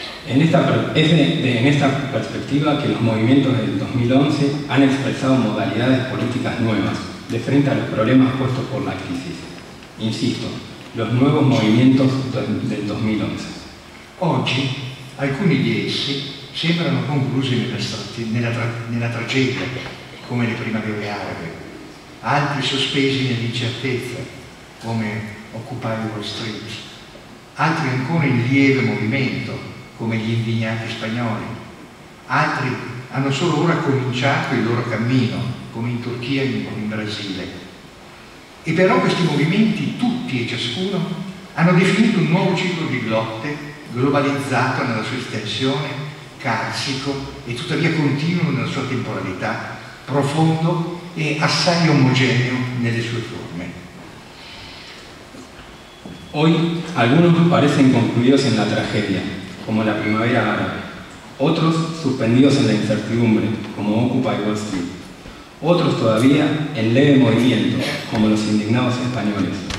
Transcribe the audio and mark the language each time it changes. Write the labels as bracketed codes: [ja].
[es] Es de esta perspectiva que los movimientos del 2011 han expresado modalidades políticas nuevas de frente a los problemas puestos por la crisis. Insisto, los nuevos movimientos del 2011. [it] Oggi, alcuni di essi sembrano conclusi nella tragedia, come le primavere arabe. Altri sospesi nell'incertezza, come Occupy Wall Street. Altri ancora in lieve movimento, come gli indignati spagnoli. Altri hanno solo ora cominciato il loro cammino, come in Turchia e in Brasile. E però questi movimenti, tutti e ciascuno, hanno definito un nuovo ciclo di lotte globalizzato nella sua estensione, carsico e tuttavia continuo nella sua temporalità, profondo e assai omogeneo nelle sue forme. [es] Hoy algunos parecen concluidos en la tragedia, como la primavera árabe. Otros suspendidos en la incertidumbre, como Occupy Wall Street. Otros todavía en leve movimiento, como los indignados españoles.